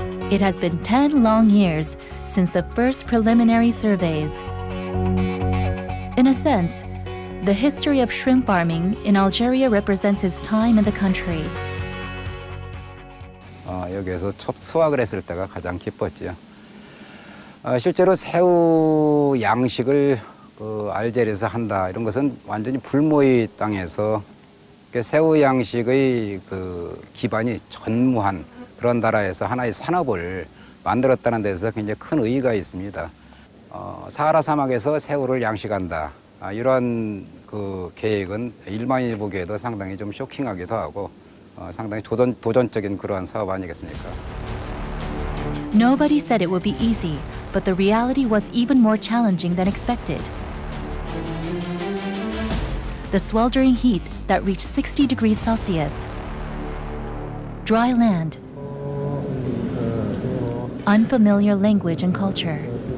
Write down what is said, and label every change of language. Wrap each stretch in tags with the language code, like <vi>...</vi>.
<en>It has been 10 long years since the first preliminary surveys. In a sense, the history of shrimp farming in Algeria represents his time in the country.</en> <ko>여기에서 첫 수확을 했을 때가 가장 기뻤지요. 실제로 새우 양식을 알제리에서 한다 이런 것은 완전히 불모의 땅에서 새우 양식의 그 기반이 전무한 그런 나라에서 하나의 산업을 만들었다는 데서 굉장히 큰 의의가 있습니다. 사하라 사막에서 새우를 양식한다 이런 그 계획은 일반이 보기에도 상당히 좀 쇼킹하기도 하고 상당히 도전적인 그러한 사업 아니겠습니까?</ko> <en>Nobody said it would be easy. But the reality was even more challenging than expected. The sweltering heat that reached 60 degrees Celsius, dry land, unfamiliar language and culture.</en>